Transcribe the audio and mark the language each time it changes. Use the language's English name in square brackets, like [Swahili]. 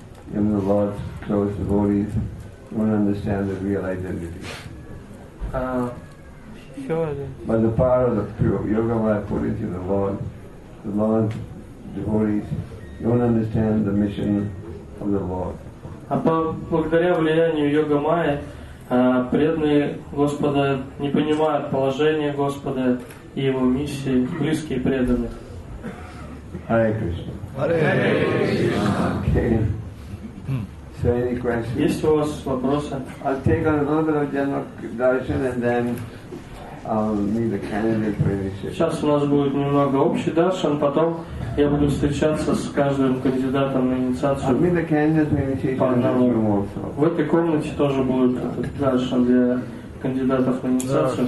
[English] Even the Lord's close devotees don't understand the real identity. By the power of the pure Yoga Maya Puriti, the Lord's devotees don't understand the mission of the Lord. [Russian] А благодаря влиянию Йога Майи, преданные Господа не понимают положение Господа и его миссии, близкие преданных. [English] Hare Krishna. Hare Krishna. Okay. So any questions? [Russian] Есть у вас вопросы? [English] I'll take a little bit of general darshan and then I'll meet the candidate for initiation. [Russian] Сейчас у нас будет немного общий даршан, потом я буду встречаться с каждым кандидатом на инициацию. [English] I'll meet the candidate for initiation also. [Russian] В этой комнате тоже будет даршан для кандидатов на инициацию.